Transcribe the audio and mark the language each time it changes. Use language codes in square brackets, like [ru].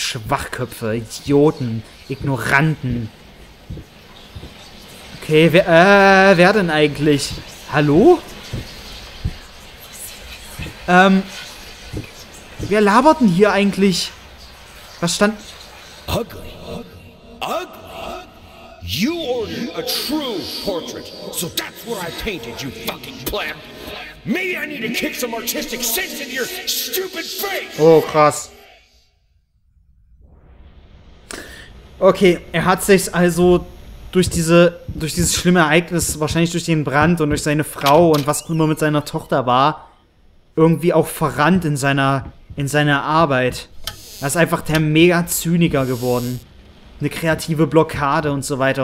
[de] Schwachköpfe, Idioten, Ignoranten. Okay, wer denn eigentlich? Hallo? Wer labert denn hier eigentlich? Was stand... [en] Ugly. You ordered a true portrait, so that's what I painted, you fucking plant. Maybe I need to kick some artistic sense in your stupid face. [de] Oh, krass. Okay, er hat sich also durch dieses schlimme Ereignis, wahrscheinlich durch den Brand und durch seine Frau und was immer mit seiner Tochter war, irgendwie auch verrannt in seiner Arbeit. Er ist einfach der Mega-Zyniker geworden. Eine kreative Blockade und so weiter.